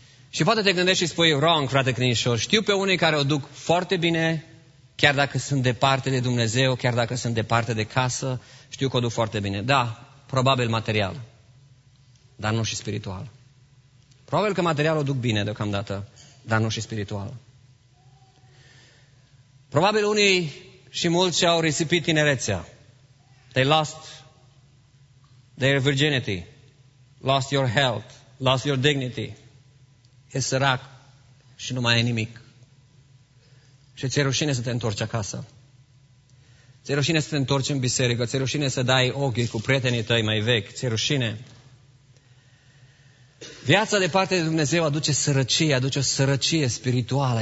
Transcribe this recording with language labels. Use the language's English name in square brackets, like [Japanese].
[Romanian] Și poate te gândești și spui, wrong, frate Crinișor, știu pe unii care o duc foarte bine, chiar dacă sunt departe de Dumnezeu, chiar dacă sunt departe de casă, știu că o duc foarte bine. Da, probabil material, dar nu și spiritual. Probabil că material o duc bine deocamdată, dar nu și spiritual. Probabil unii și mulți și-au risipit tinerețea. [English] They lost their virginity, lost your health, lost your dignity. [Romanian] E sărac și nu mai e nimic. Și ți-e rușine să te întorci acasă. Ți-e rușine să te întorci în biserică. Ți-e rușine să dai ochii cu prietenii tăi mai vechi. Ți-e rușine. Viața departe de Dumnezeu aduce sărăcie, aduce o sărăcie spirituală.